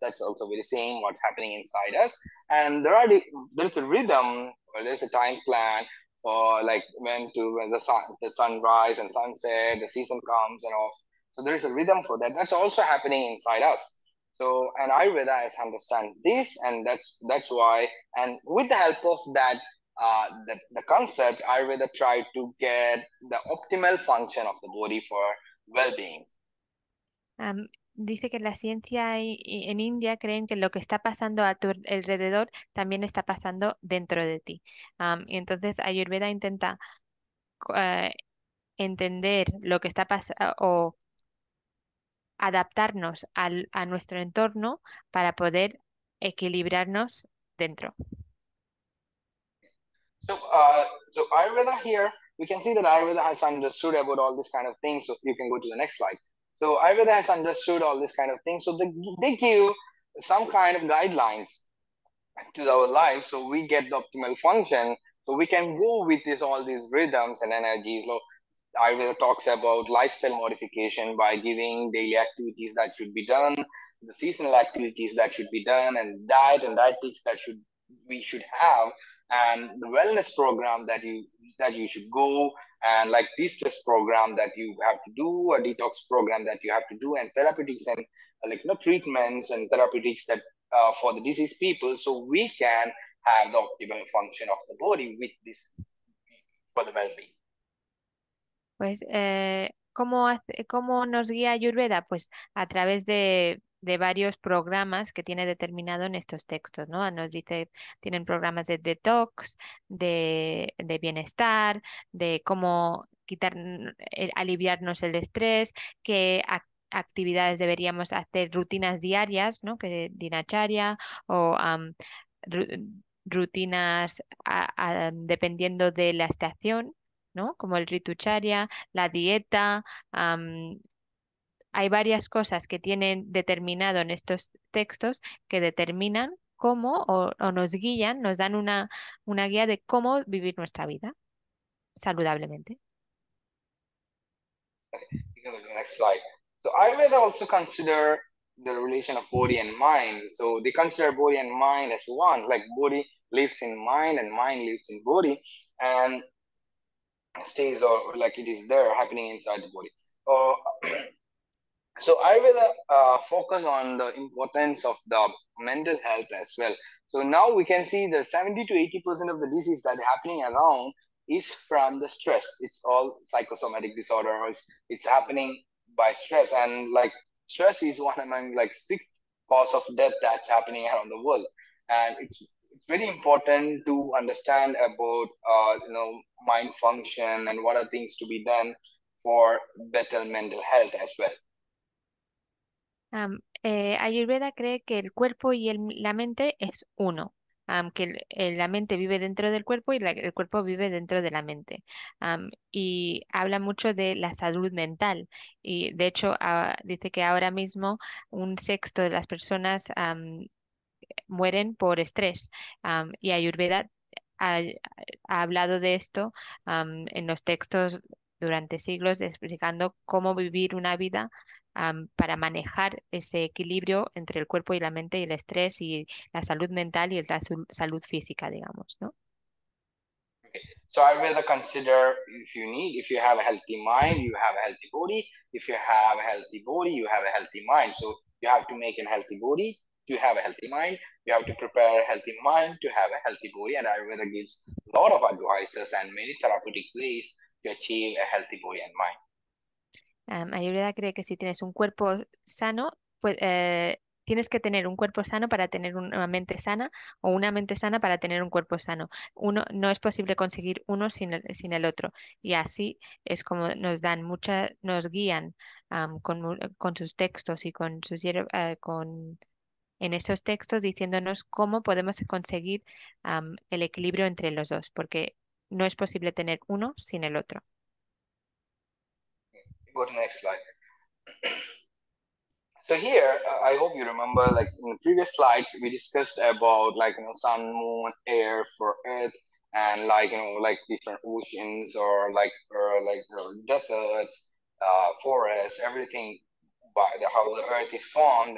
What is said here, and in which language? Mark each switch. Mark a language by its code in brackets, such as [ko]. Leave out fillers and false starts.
[en] That's also the same what's happening inside us. And there's a rhythm, or there's a time plan, or like when the sun rise and sunset, the season comes and off. So there is a rhythm for that. That's also happening inside us. So, and Ayurveda has understand this, and that's why, and with the help of that, the concept, Ayurveda tried to get the optimal function of the body for well-being. [es] Dice que la ciencia y en India creen que lo que está pasando a tu alrededor también está pasando dentro de ti. Y entonces Ayurveda intenta entender lo que está pasando o adaptarnos a nuestro entorno para poder equilibrarnos dentro. [en] So Ayurveda here, we can see that Ayurveda has understood about all these kind of things. So you can go to the next slide. So Ayurveda has understood all these kind of things. So they give some kind of guidelines to our life, so we get the optimal function. So we can go with this, all these rhythms and energies. So Ayurveda talks about lifestyle modification by giving daily activities that should be done, the seasonal activities that should be done, and diet and dietics that should we should have, and the wellness program that you should go, and like de-stress program that you have to do, a detox program that you have to do, and therapeutics and like no treatments and therapeutics that for the diseased people, so we can have the optimal function of the body with this for the well-being. [es] Pues, ¿cómo nos guía Ayurveda? Pues a través de varios programas que tiene determinado en estos textos, ¿no? Nos dice, tienen programas de detox, de bienestar, de cómo quitar, aliviarnos el estrés, qué actividades deberíamos hacer, rutinas diarias, ¿no? Que dinacharya o rutinas dependiendo de la estación, ¿no? Como el ritucharya, la dieta, hay varias cosas que tienen determinado en estos textos que determinan cómo o nos guían, nos dan una guía de cómo vivir nuestra vida saludablemente. [en] You can go to the next slide. So Ayurveda also consider the relation of body and mind. So they consider body and mind as one, like body lives in mind and mind lives in body and stays or like it is there happening inside the body. So Ayurveda focus on the importance of the mental health as well. So now we can see the 70 to 80% of the disease that are happening around is from the stress. It's all psychosomatic disorders. It's happening by stress. And like stress is one among like sixth cause of death that's happening around the world. And it's very important to understand about, you know, mind function and what are things to be done for better mental health as well. [es] Ayurveda cree que el cuerpo y la mente es uno, que la mente vive dentro del cuerpo y el cuerpo vive dentro de la mente. Y habla mucho de la salud mental. Y de hecho, dice que ahora mismo un sexto de las personas mueren por estrés. Y Ayurveda ha hablado de esto en los textos durante siglos, explicando cómo vivir una vida para manejar ese equilibrio entre el cuerpo y la mente y el estrés y la salud mental y la salud física, digamos, ¿no? [en] Okay. So I rather consider if you need, if you have a healthy mind, you have a healthy body. If you have a healthy body, you have a healthy mind. So you have to make a healthy body to have a healthy mind. You have to prepare a healthy mind to have a healthy body. And I rather gives a lot of advices and many therapeutic ways to achieve a healthy body and mind. [es] Ayurveda cree que si tienes un cuerpo sano, pues tienes que tener un cuerpo sano para tener una mente sana o una mente sana para tener un cuerpo sano. Uno no es posible conseguir uno sin el otro. Y así es como nos guían con sus textos y con sus en esos textos diciéndonos cómo podemos conseguir el equilibrio entre los dos, porque no es posible tener uno sin el otro. [en] Go to the next slide. So here, I hope you remember, like in the previous slides, we discussed about like, you know, sun, moon, air for earth, and like, you know, like different oceans or deserts, forests, everything by the how the earth is formed.